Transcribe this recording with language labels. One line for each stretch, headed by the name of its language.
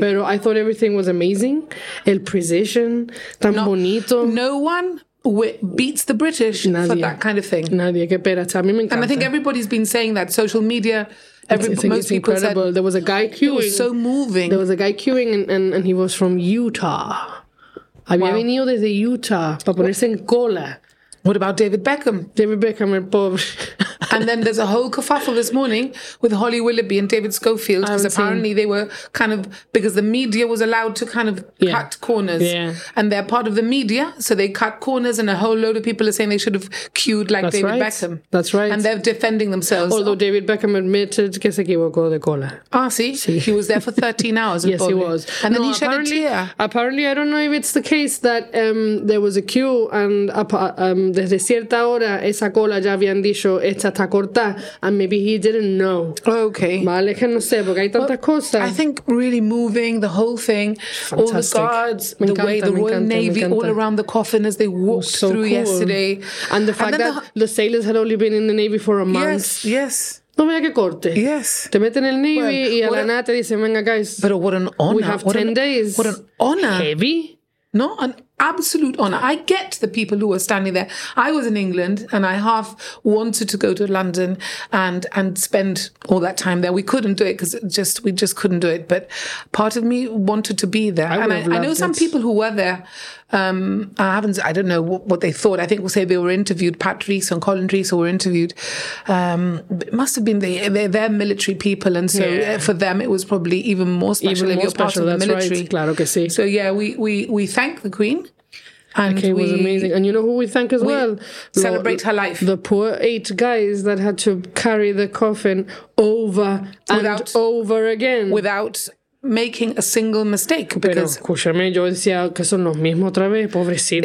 Spanish: Pero
English: I thought everything was amazing.
Spanish: El precision, tan bonito.
English: No one beats the British
Spanish: Nadie.
English: For that kind of thing.
Spanish: Nadie, que espérate. A mí me encanta.
English: And I think everybody's been saying that. Social media. It's incredible. Said, there was a guy queuing. It was so moving. There was a guy queuing and he was from Utah.
Spanish: Había venido desde Utah para ponerse en cola.
English: What about David Beckham?
Spanish: David Beckham, el pobre.
English: And then there's a whole kerfuffle this morning with Holly Willoughby and David Schofield because apparently they were kind of, because the media was allowed to kind of cut corners. Yeah. And they're part of the media, so they cut corners and a whole load of people are saying they should have queued like That's David right. Beckham. That's right. And they're defending themselves. Although David Beckham admitted
Spanish: que se equivocó de cola.
English: Ah, see? He was there for 13 hours. Yes, he was. And then he shed a tear. Apparently, I don't know if it's the case that there was a queue and
Spanish: desde cierta hora esa cola ya habían dicho esta a cortar,
English: and maybe he didn't know. Okay.
Spanish: Vale, que no sé, porque hay tantas cosas.
English: I think really moving the whole thing, Fantastic. All the guards, the Royal Navy all around the coffin as they walked so through cool. yesterday. And the fact that the sailors had only been in the Navy for a month. Yes.
Spanish: No vea que corte.
English: Yes.
Spanish: Te meten en el Navy y a la nada te dicen, venga,
English: guys. But what an honor. We have 10 days. What an honor. Heavy. No, and absolute honor. I get the people who were standing there. I was in England and I half wanted to go to London and spend all that time there. We couldn't do it because we just couldn't do it. But part of me wanted to be there. I know some people who were there. I don't know what they thought. I think we'll say they were interviewed. Pat Rees and Colin Rees were interviewed. It must have been they're military people, and so for them it was probably even more special. Even more special. That's the military. Right.
Spanish: Claro que sí.
English: So yeah, we thank the Queen. And okay, it was amazing. And you know who we thank as well? Celebrate her life. The poor 8 guys that had to carry the coffin over and over again. Without making a single mistake. Because
Spanish: escúchame, yo decía que son los mismos otra vez, pobrecito.